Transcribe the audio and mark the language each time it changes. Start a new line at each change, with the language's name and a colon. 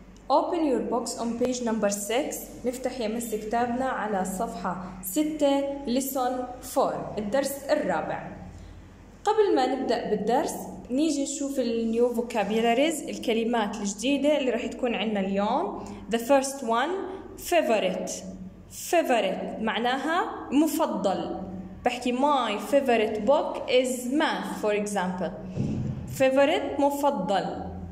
English: Open your box on page number 6.
Arabic: نفتح يمس كتابنا على صفحة 6،
English: lesson 4،
Arabic: الدرس الرابع. قبل ما نبدأ بالدرس نيجي نشوف النيو vocabularies، الكلمات الجديدة اللي راح تكون عندنا اليوم.
English: The first one، favorite
Arabic: معناها مفضل. بحكي
English: my favorite book is math for example.
Arabic: favorite مفضل.